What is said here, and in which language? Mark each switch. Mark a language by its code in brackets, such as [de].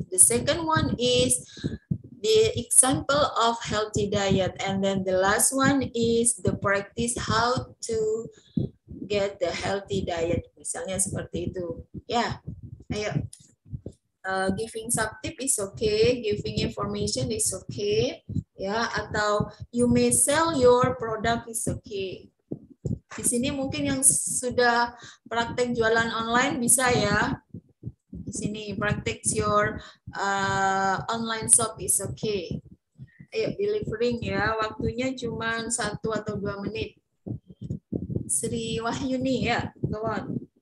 [en] The second one is the example of healthy diet, and then the last one is the practice how to get the healthy diet. [id] Misalnya seperti itu. [en] Yeah, ayo. Giving some tip is okay. Giving information is okay. Yeah, atau you may sell your product is okay. [id] Di sini mungkin yang sudah praktek jualan online bisa ya. Di sini praktek [en] your online shop is okay. [id] Ayo, delivering ya. Waktunya cuma 1 atau 2 menit. [en] Sri Wahyuni ya, go on.